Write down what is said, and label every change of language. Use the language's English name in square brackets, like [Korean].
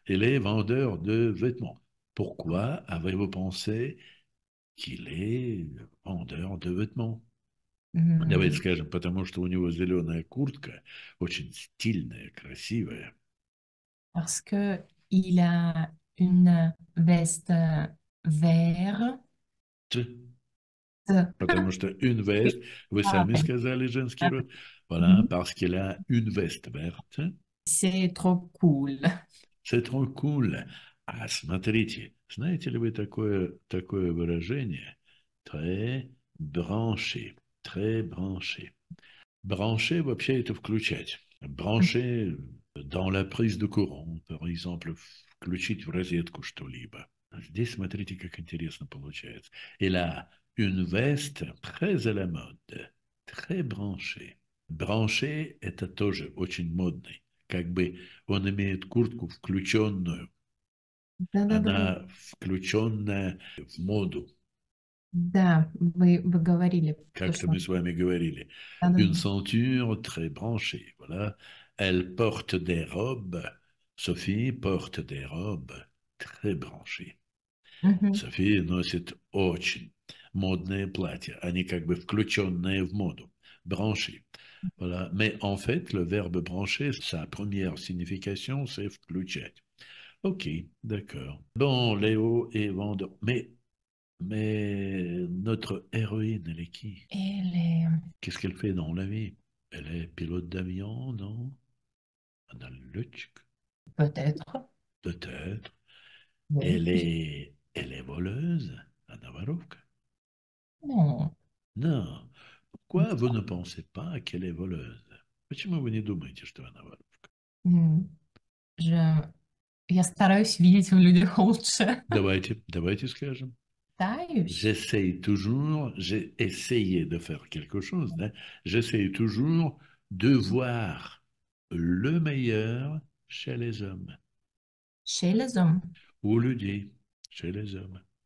[French] Il est vendeur de vêtements. Pourquoi avez-vous pensé qu'il est vendeur de vêtements? [Russian] Давайте скажем, потому что у него зеленая куртка, очень стильная, красивая. [French] Parce que il a une veste verte. [Russian] Потому что [French] une veste, [Russian] вы Ah, сами сказали женский [French] ouais. [Russian] род, [French] voilà, parce qu'il a une veste verte. C'est trop cool. C'est trop cool. [Russian] Ah, смотрите, знаете ли вы такое выражение? [French] Très branché. Très branché. [Russian] Brancher, вообще, это включать. [French] Brancher dans la prise de courant, par exemple, [Russian] включить в розетку что-либо. Здесь, смотрите, как интересно получается. [French] Il a une veste très à la mode. Très branché. [Russian] Branché, это тоже очень модный. Как бы он имеет куртку включенную. Она включенная в моду. Да, вы говорили то, Как-то что мы с вами говорили, да. [French] une ceinture très branchée, voilà. Elle porte des robes. Sophie porte des robes très branchées. [Russian] Sophie носит очень модное платье, а не как бы включенное в моду, branchée. [French] Voilà. Mais en fait, le verbe brancher, sa première signification, c'est включать. Ok, d'accord. Bon, Léo est vendeur, mais notre héroïne, elle est qui? Qu'est-ce qu'elle fait dans la vie? Elle est pilote d'avion, non? Anna Lutschk? Peut-être. Peut-être. Oui. Elle est voleuse, Anna Varouk? Non. Non. Pourquoi vous ne pensez pas qu'elle est voleuse? [Russian] Почему вы не думаете, что Anna Varouk? Я стараюсь видеть в людях лучше. Давайте скажем. Стараюсь. [French] J'essaye toujours, j'ai essayé de faire quelque chose, hein. J'essaye toujours de voir le meilleur chez les hommes. Chez les hommes. [Russian] У людей, [French] chez les hommes.